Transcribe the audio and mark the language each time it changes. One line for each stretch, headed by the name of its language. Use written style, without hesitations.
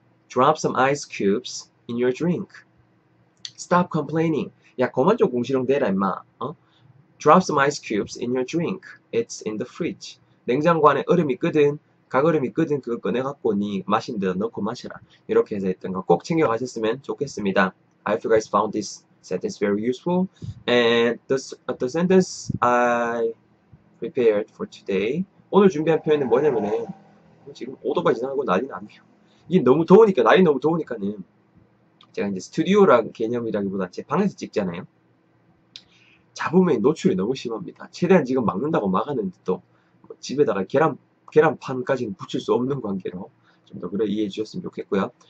English: Drop some ice cubes in your drink. Stop complaining.
Korean: 야, 그만 좀 공시렁 대라, 임마.
English: 어? Drop some ice cubes in your drink. It's in the fridge.
Korean: 냉장고 안에 얼음이 끓든 가얼음이 끓든 그거 꺼내갖고 니 마신 데다 넣고 마셔라. 이렇게 해서 했던 거꼭 챙겨 가셨으면 좋겠습니다.
English: I hope you guys found this sentence very useful. And the sentence I prepared for today.
Korean: 오늘 준비한 표현은 뭐냐면은 지금 오토바이 지나가고 난리 나네요. 이게 너무 더우니까, 날이 너무 더우니까는 제가 이제 스튜디오라는 개념이라기보다 제 방에서 찍잖아요. 잡음의 노출이 너무 심합니다. 최대한 지금 막는다고 막았는데 또 집에다가 계란판까지는 붙일 수 없는 관계로 좀더 그래 이해해 주셨으면 좋겠고요.